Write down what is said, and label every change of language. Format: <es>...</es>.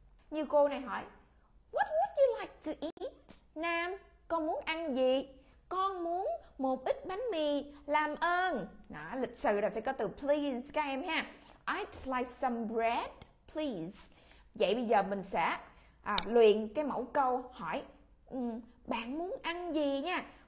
<vi>Như cô này hỏi,</vi> <en>What would you like to eat?</en> <vi>Nam, con muốn ăn gì? Con muốn một ít bánh mì, làm ơn. Đó, lịch sự rồi phải có từ</vi> <en>please</en> <vi>các em ha.</vi> <en>I'd like some bread, please.</en> <vi>Vậy bây giờ mình sẽ luyện cái mẫu câu hỏi bạn muốn ăn gì nha.</vi>